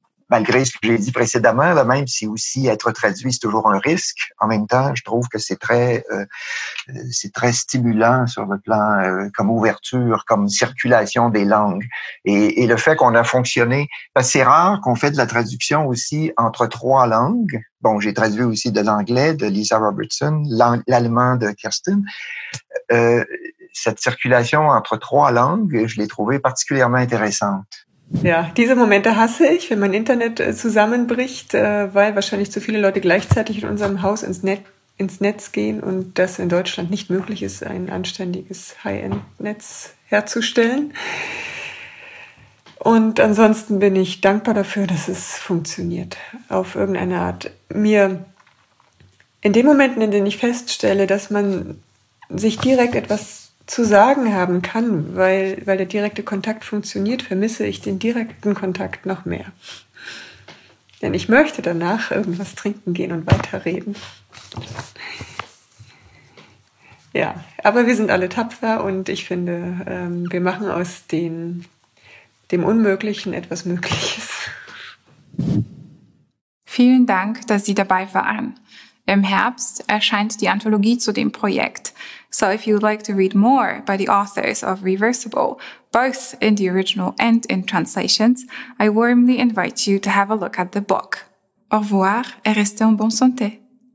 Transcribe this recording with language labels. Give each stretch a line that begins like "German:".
French: malgré ce que j'ai dit précédemment là, même si aussi être traduit c'est toujours un risque, en même temps je trouve que c'est très stimulant sur le plan comme ouverture, comme circulation des langues, et le fait qu'on a fonctionné, ben, c'est rare qu'on fait de la traduction aussi entre trois langues. Bon, j'ai traduit aussi de l'anglais de Lisa Robertson, l'allemand de Kirsten. Cette circulation entre trois langues, je l'ai trouvée particulièrement intéressante.
German: Ja, diese Momente hasse ich, wenn mein Internet zusammenbricht, weil wahrscheinlich zu viele Leute gleichzeitig in unserem Haus ins Netz gehen und das in Deutschland nicht möglich ist, ein anständiges High-End-Netz herzustellen. Und ansonsten bin ich dankbar dafür, dass es funktioniert, auf irgendeine Art. Mir in den Momenten, in denen ich feststelle, dass man sich direkt etwas zu sagen haben kann, weil der direkte Kontakt funktioniert, vermisse ich den direkten Kontakt noch mehr. Denn ich möchte danach irgendwas trinken gehen und weiterreden. Ja, aber wir sind alle tapfer und ich finde, wir machen aus dem Unmöglichen etwas Mögliches. Vielen Dank, dass Sie dabei waren. Im Herbst erscheint die Anthologie zu dem Projekt.
English: So if you would like to read more by the authors of Reversible, both in the original and in translations, I warmly invite you to have a look at the book.
French: Au revoir et restez en bonne santé.